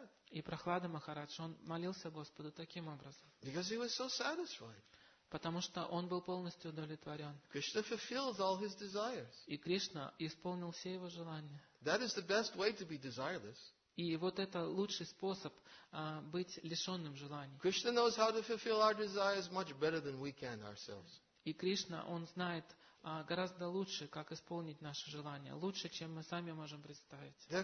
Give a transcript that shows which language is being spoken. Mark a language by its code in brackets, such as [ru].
[ru] И Прохлада Махарадж, он молился Господу таким образом. [en] Because he was so satisfied. [ru] Потому что он был полностью удовлетворен. [en] Krishna fulfills all his desires. [ru] И Кришна исполнил все его желания. [en] That is the best way to be desireless. [ru] И вот это лучший способ быть лишенным желаний. [en] Krishna knows how to fulfill our desires much better than we can ourselves. [ru] И Кришна, он знает гораздо лучше, как исполнить наши желания, лучше, чем мы сами можем представить.